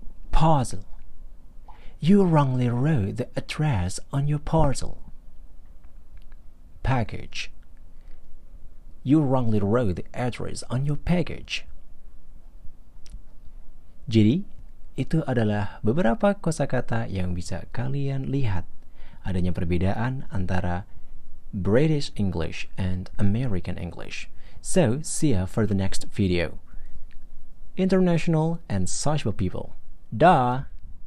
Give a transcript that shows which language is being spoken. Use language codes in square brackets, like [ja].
[en] Parcel. You wrongly wrote the address on your parcel. Package. You wrongly wrote the address on your package. [id] Jadi, itu adalah beberapa kosakata yang bisa kalian lihat adanya perbedaan antara [en] British English and American English. So, see ya for the next video. International and sociable people. Duh!